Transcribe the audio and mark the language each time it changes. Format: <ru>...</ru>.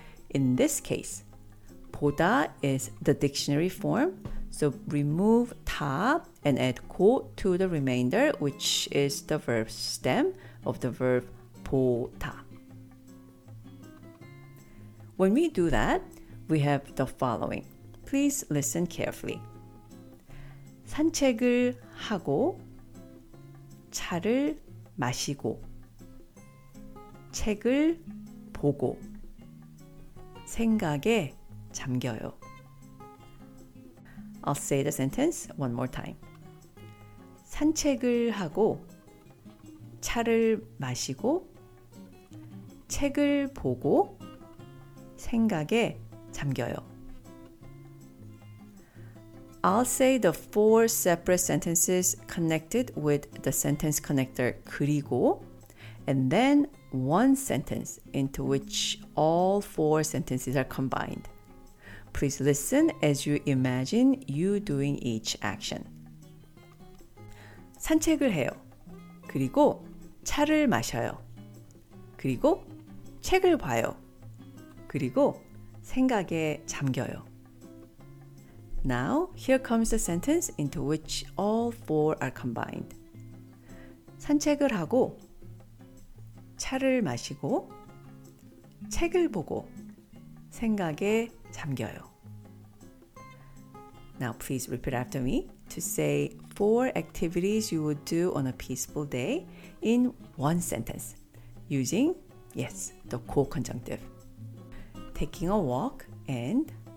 <en>In this case, 보다 is the dictionary form, so remove 다 and add 고 to the remainder, which is the verb stem of the verb 보다. When we do that, we have the following. Please listen carefully.</en> <ko>산책을 하고 차를 마시고 책을 보고 생각에 잠겨요.</ko> <en>I'll say the sentence one more time.</en> <ko>산책을 하고 차를 마시고 책을 보고 생각에 잠겨요.</ko> <en>I'll say the four separate sentences connected with the sentence connector 그리고, and then one sentence into which all four sentences are combined. Please listen as you imagine you doing each action.</en> <ko>산책을 해요. 그리고 차를 마셔요. 그리고 책을 봐요. 그리고 생각에 잠겨요.</ko> <en>Now, here comes the sentence into which all four are combined.</en> <ko>산책을 하고 차를 마시고 책을 보고 생각에 잠겨요.</ko> <en>Now please repeat after me to say four activities you would do on a peaceful day in one sentence using, yes, the 고 conjunctive. Taking a walk and</en>